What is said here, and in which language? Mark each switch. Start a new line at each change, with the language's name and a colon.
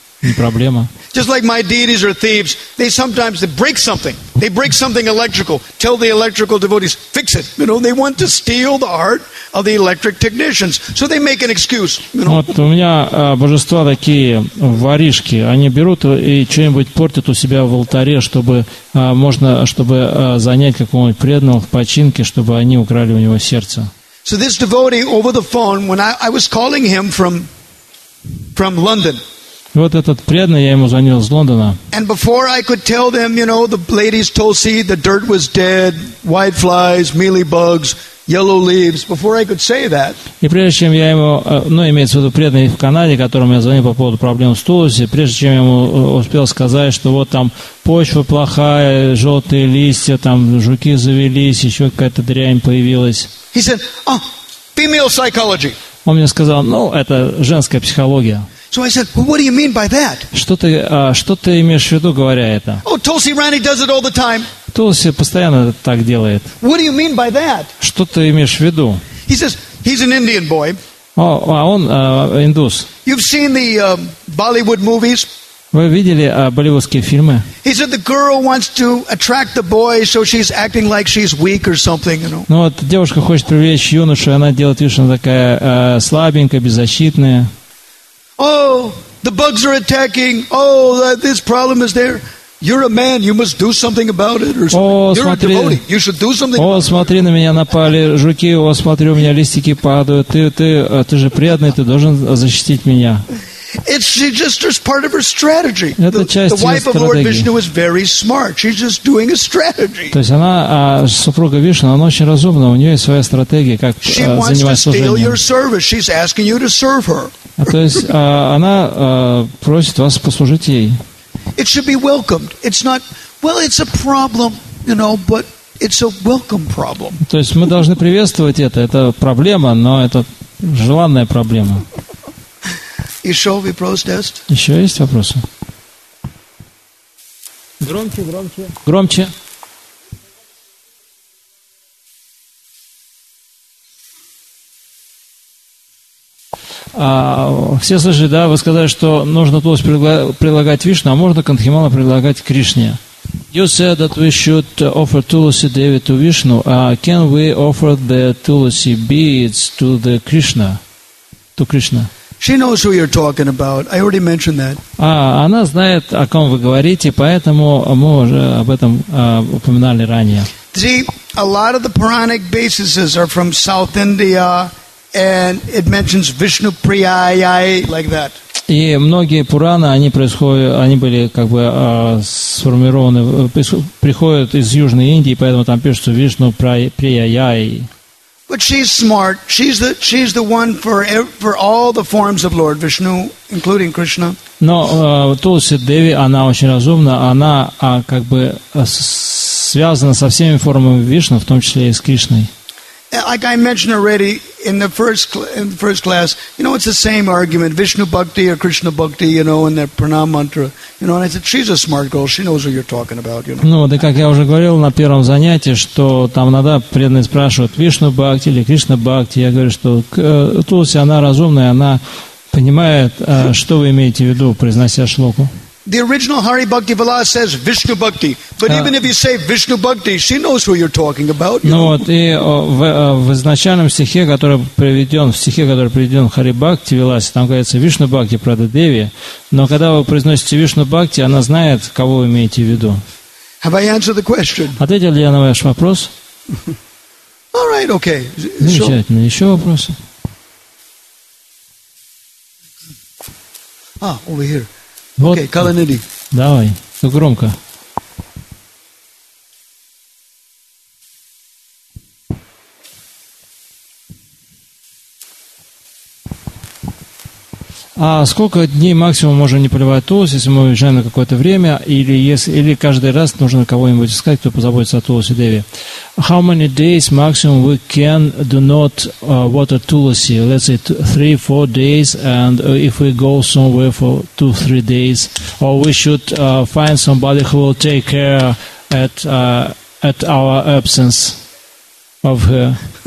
Russian: Не проблема.
English: Just like my deities are thieves, they sometimes break something. They break something electrical. Tell the electrical devotees, fix it. You know, they want to steal the heart of the electric technicians. So they make an excuse. You know?
Russian: Вот у меня божества такие воришки. Они берут и что-нибудь портят у себя в алтаре, чтобы занять какого-нибудь преданного в починке, чтобы они украли у него сердце.
English: So this devotee over the phone, when I was calling him from London.
Russian: Вот этот преданный, я ему звонил из Лондона.
English: And before I could tell them, you know, the ladies told me the dirt was dead, white flies, mealybugs, yellow leaves. Before I could say that.
Russian: И прежде чем я ему, ну, имеется в виду преданный в Канаде, которому я звонил по поводу проблем с тулуси, прежде чем я ему успел сказать, что вот там почва плохая, желтые листья, там жуки завелись, еще какая-то дрянь появилась.
English: He said, "Oh, female psychology."
Russian: Он мне сказал, ну, это женская психология.
English: So I said, "Well, what do you mean by that?"
Russian: Что ты имеешь в виду, говоря это?
English: Oh, Tulsi Rani does it all the time.
Russian: Тулси постоянно так делает.
English: What do you mean by that?
Russian: Что ты имеешь в виду?
English: He says, "He's an Indian boy."
Russian: А он индус.
English: You've seen the Bollywood movies?
Russian: Вы видели болливудские фильмы?
English: He said the girl wants to attract the boy, so she's acting like she's weak or something, you know.
Russian: Ну вот девушка хочет привлечь юношу, и она делает вид, что она такая слабенькая, беззащитная.
English: Oh, the bugs are attacking. Oh, this problem is there. You're a man, you must do something about it. You're a devotee, you should do something about it.
Russian: О, смотри, на меня напали жуки, о, смотри, у меня листики падают. Ты же преданный, ты должен защитить меня.
English: It's part of her strategy.
Russian: Это часть ее стратегии.
English: The wife of Lord Vishnu is very smart. She's just doing a strategy.
Russian: То есть она, супруга Вишна, она очень разумна. У нее есть своя стратегия, как занимать служение.
English: She wants to steal your service. She's asking you to serve her.
Russian: То есть она просит вас послужить ей.
English: It should be welcomed. It's not, well, it's a problem, you know, but it's a welcome problem.
Russian: То есть мы должны приветствовать это. Это проблема, но это желанная проблема. Еще есть вопросы? Громче, громче. Громче. Все слышали, да, вы сказали, что нужно тулось прилагать Вишну, а можно кандхимала прилагать Кришне.
English: You said that we should offer tulasi devi to Vishnu. Can we offer the tulasi beads to the Krishna? To Krishna. She knows who you're talking about. I already mentioned that.
Russian: Она знает, о ком вы говорите, поэтому мы уже об этом упоминали ранее.
English: See, a lot of the Puranic bases are from South India, and it mentions Vishnu Priyayai like that.
Russian: И многие пураны, они происходят, они были как бы сформированы, приходят из Южной Индии, поэтому там пишется Вишну Приаяй.
English: But she's smart. She's the one for all the forms of Lord Vishnu, including Krishna.
Russian: Но Туласи Деви, она очень разумна. Она как бы связана со всеми формами Вишну, в том числе и с Кришной.
English: Like I mentioned already in the first class, you know, it's the same argument: Vishnu Bhakti or Krishna Bhakti, you know, in that pranam mantra, you know. And I said, she's a smart girl; she knows what you're talking about, you know.
Russian: Ну, да, как я уже говорил на первом занятии, что там иногда преданные спрашивают Вишну Бхакти или Кришна Бхакти. Я говорю, что Туласи, она разумная, она понимает, что вы имеете в виду, произнося шлоку.
English: The original Hari Bhakti Vilas says Vishnu Bhakti, but even if you say Vishnu Bhakti, she knows who you're talking about.
Russian: Ну вот и в изначальном стихе, который приведен, в стихе, который приведен Хари Бхакти Вилас, там говорится Вишну Бхакти Прада Деви, но когда вы произносите Вишну Бхакти, она знает, кого вы имеете в виду.
English: Have I answered the question?
Russian: Ответил ли я на ваш вопрос?
English: All right, okay.
Russian: Замечательно. Еще вопросы?
English: Ah, over here. Вот. Okay, Kalanidhi.
Russian: Давай, громко. А сколько дней максимум можем не поливать тулоси, если мы уезжаем на какое-то время, или каждый раз нужно кого-нибудь искать, кто позаботится о тулоси деви?
English: How many days maximum we can do not water tulasi? Let's say 3-4 days, and if we go somewhere for 2-3 days, or we should find somebody who will take care at our absence of her.